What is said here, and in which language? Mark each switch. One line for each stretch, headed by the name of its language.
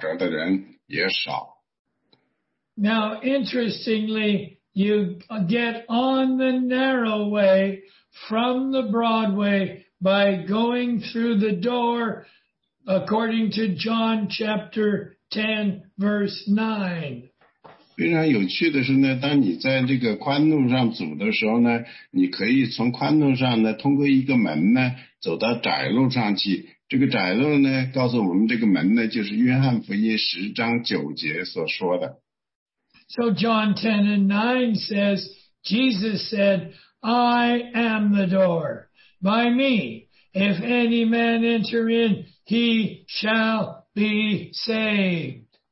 Chinese: 刚才读的是马太福音七章十三节和十四节。十三节说你们要进窄门，因为引到灭亡，那门是宽的，路是大的，进去的人也多。引到永生的，那门是窄的，路是小的，找着的人也少。
English: Now, interestingly, you get on the narrow way from the Broadway by going through the door according to John chapter 10, verse 9.
Chinese: 非常有趣的是呢，当你在这个宽路上走的时候呢，你可以从宽路上呢，通过一个门呢，走到窄路上去。这个窄路呢，告诉我们这个门呢，就是约翰福音十章九节所说的。
English: So John 10 and 9 says, Jesus said, I am the door. By me, if any man enter in, he shall be saved.